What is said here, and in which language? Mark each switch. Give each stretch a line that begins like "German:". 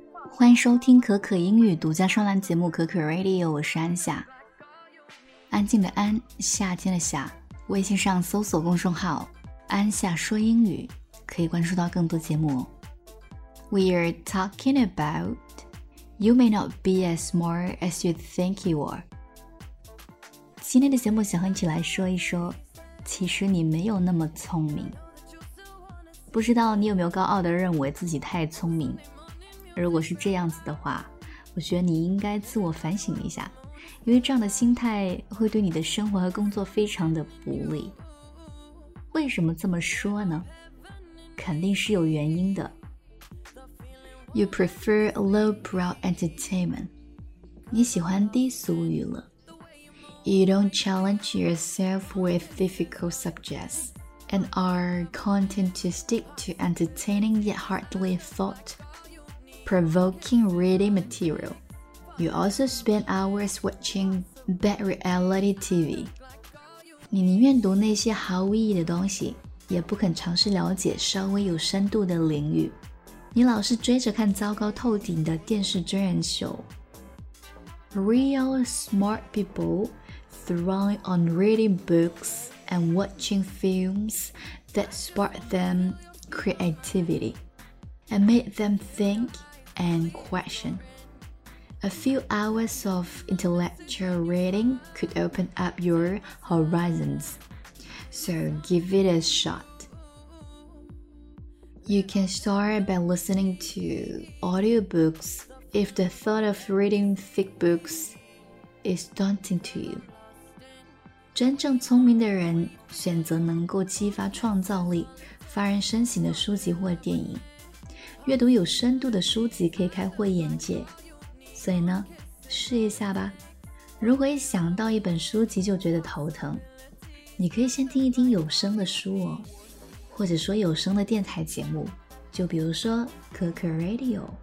Chinese: 欢迎收听可可英语独家专栏节目可可 Radio， 我是安夏，安静的安，夏天的夏。微信上搜索公众号安夏说英语，可以关注到更多节目。
English: We are talking about You may not be as smart as you think you are。
Chinese: 今天的节目想和你一起来说一说，其实你没有那么聪明。不知道你有没有高傲地认为自己太聪明，如果是这样子的话，我觉得你应该自我反省一下，因为这样的心态会对你的生活和工作非常的不利。为什么这么说呢？肯定是有原因的。
English: You prefer lowbrow entertainment，
Chinese: 你喜欢低俗娱乐。
English: You don't challenge yourself with difficult subjects and are content to stick to entertaining yet hardly thought provoking reading material。 You also spend hours watching bad reality TV。
Chinese: 你宁愿读那些毫无意义的东西，也不肯尝试了解稍微有深度的领域。你老是追着看糟糕透顶的电视真人秀。
English: Real smart people thrive on reading books and watching films that spark them creativity and make them think and question. A few hours of intellectual reading could open up your horizons, so give it a shot. You can start by listening to audiobooks if the thought of reading thick books is daunting to you.
Chinese: 真正聪明的人选择能够激发创造力、发人深省的书籍或电影。阅读有深度的书籍可以开阔眼界。所以呢，试一下吧。如果一想到一本书籍就觉得头疼，你可以先听一听有声的书哦，或者说有声的电台节目，就比如说可可 Radio。